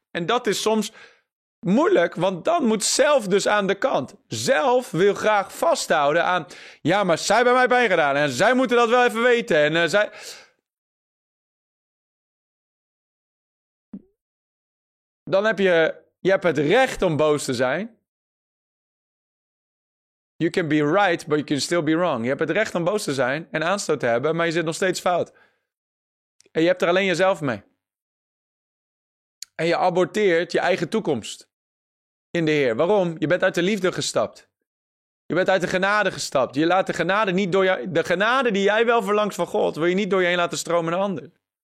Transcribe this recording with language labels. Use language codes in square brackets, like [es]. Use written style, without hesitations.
[nl] En dat is soms moeilijk, want dan moet zelf dus aan de kant. Zelf wil graag vasthouden aan, ja, maar zij hebben mij pijn gedaan en zij moeten dat wel even weten. En zij. Dan heb je hebt het recht om boos te zijn. [en] You can be right, but you can still be wrong. [nl] Je hebt het recht om boos te zijn en aanstoot te hebben, maar je zit nog steeds fout. En je hebt er alleen jezelf mee. En je aborteert je eigen toekomst in de Heer. Waarom? Je bent uit de liefde gestapt. Je bent uit de genade gestapt. Je laat de genade niet door de genade die jij wel verlangt van God, wil je niet door je heen laten stromen naar anderen.